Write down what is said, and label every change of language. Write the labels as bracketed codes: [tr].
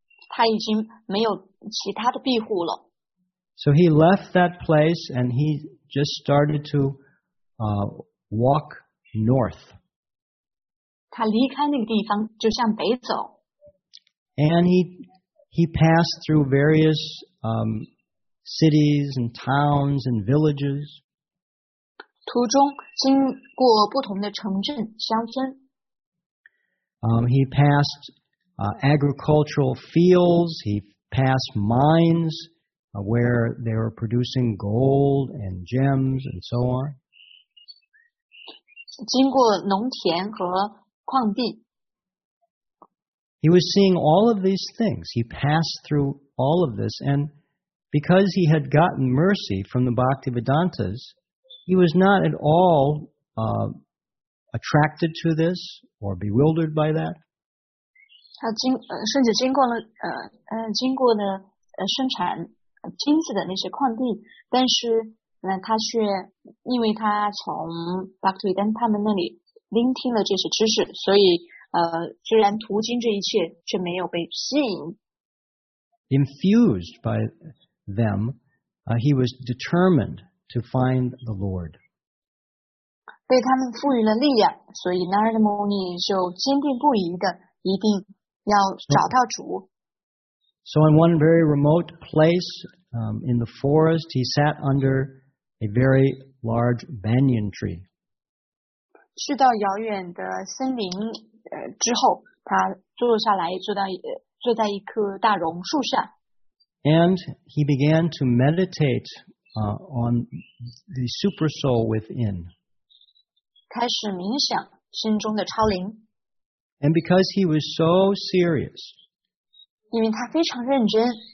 [zh] 他已经没有其他的庇护了。 [en] So he left that place and he just started to walk north. [zh] 他离开那个地方就向北走。 [en] And he passed through various cities and towns and villages. [zh] 途中经过不同的城镇乡村。 [en] He passed agricultural fields. He passed mines where they were producing gold and gems and so on. [zh] 经过农田和矿地。 [en] He was seeing all of these things. He passed through all of this, and because he had gotten mercy from the Bhaktivedantas, he was not at all attracted to this or bewildered by that. [zh] 甚至经过了生产金子的那些矿地，但是他却因为他从 Bhaktivedanta 他们那里聆听了这些知识，所以。虽然途经这一切，却没有被吸引。 [en] Infused by them, he was determined to find the Lord. [zh] 被他们赋予了力量，所以 Narada Muni 就坚定不移的一定要找到主。 [en] So in one very remote place, in the forest, he sat under a very large banyan tree. [zh] 去到遥远的森林。之后他坐下来坐在一棵大榕树下。 [en] And he began to meditate on the super soul within. [zh] 开始冥想心中的超灵。 [en] And because he was so serious, [zh] 因为他非常认真。